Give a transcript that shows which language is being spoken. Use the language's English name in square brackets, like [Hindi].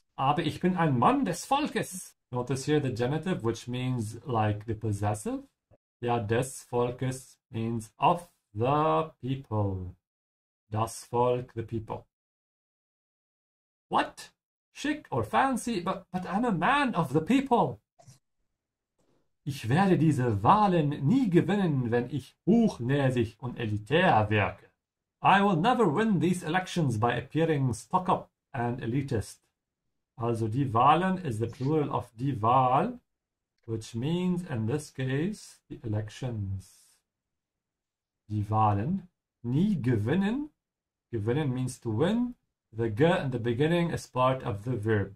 [German] Aber ich bin ein Mann des Volkes. [English] Notice here the genitive, which means like the possessive. Ja, des Volkes means of the people. Das Volk, the people. What? Schick or fancy, but I'm a man of the people. [German] Ich werde diese Wahlen nie gewinnen, wenn ich hochnäsig und elitär wirke. [English] I will never win these elections by appearing stuck up and elitist. Also die Wahlen is the plural of die Wahl, which means, in this case, the elections. Die Wahlen. Nie gewinnen. Gewinnen means to win. The ge in the beginning is part of the verb.